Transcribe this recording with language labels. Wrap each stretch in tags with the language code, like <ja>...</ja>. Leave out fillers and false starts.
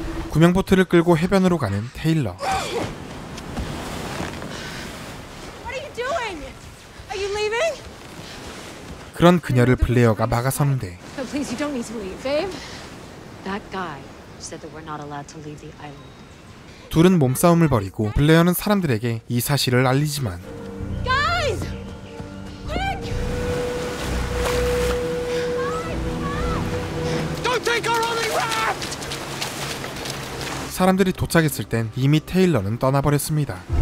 <ko>구명보트를 끌고 해변으로 가는 테일러.</ko> <en>What are you doing? Are you leaving?</en> <ko>그런 그녀를 블레어가 막아서는데.</ko> <en>Oh, please, you don't need to leave, babe. That guy said that we're not allowed to leave the island.</en> <ko>둘은 몸싸움을 벌이고 블레어는 사람들에게 이 사실을 알리지만.</ko> <en>Guys! Quick! Don't take our only raft!</en> <ko>사람들이 도착했을 땐 이미 테일러는 떠나버렸습니다.</ko>